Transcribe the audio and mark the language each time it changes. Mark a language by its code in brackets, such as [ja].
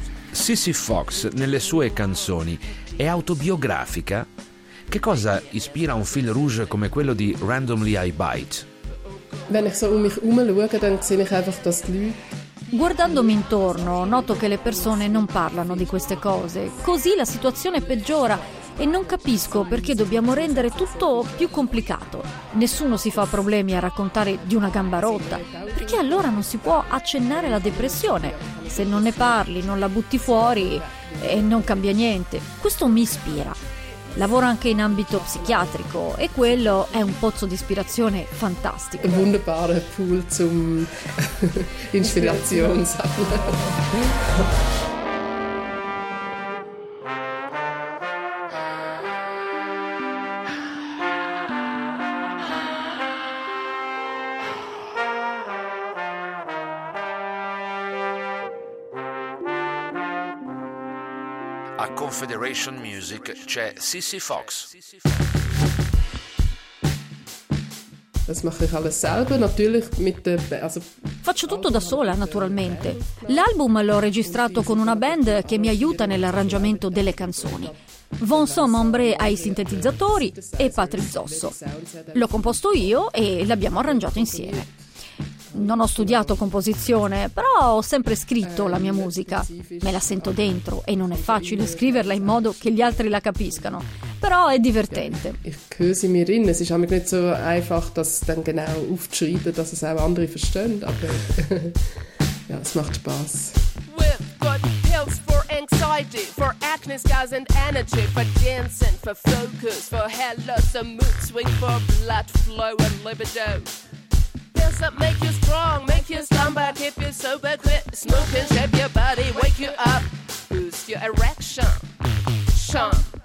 [it] Cissy Fox nelle sue canzoni è autobiografica? Che cosa ispira un fil rouge come quello di Randomly I Bite? [de] Wenn ich so um mich umschaue, dann sehe ich einfach, dass die Leute. [it] Guardandomi intorno, noto che le persone non parlano di queste cose. Così la situazione peggiora e non capisco perché dobbiamo rendere tutto più complicato. Nessuno si fa problemi a raccontare di una gamba rotta. Perché allora non si può accennare la depressione? Se non ne parli, non la butti fuori e non cambia niente. Questo mi ispira. Lavoro anche in ambito psichiatrico e quello è un pozzo di ispirazione fantastico. [de] Un wunderbare pool zum Inspiration. [it] A Confederation Music c'è Cissy Fox. [de] Das mache ich alles selber, natürlich mit der also. [it] Faccio tutto da sola, naturalmente. L'album l'ho registrato con una band che mi aiuta nell'arrangiamento delle canzoni. Von Sommombre ai sintetizzatori e Patrick Zosso. L'ho composto io e l'abbiamo arrangiato insieme. Non ho studiato composizione, però ho sempre scritto la mia musica. Me la sento dentro e non è facile scriverla in modo che gli altri la capiscano. Però è divertente. [de] Ich höre sie mir rein. Es ist auch nicht so einfach, das dann genau aufzuschreiben, dass es auch andere verstehen. Aber ja, es macht Spaß. [en] With good pills for anxiety, for acne scars and energy, for dancing, for focus, for hair loss, a mood swing, for blood flow and libido. That make you strong, make you slumber, keep you sober, quit smoking, shape your body, wake you up, boost your erection, shun.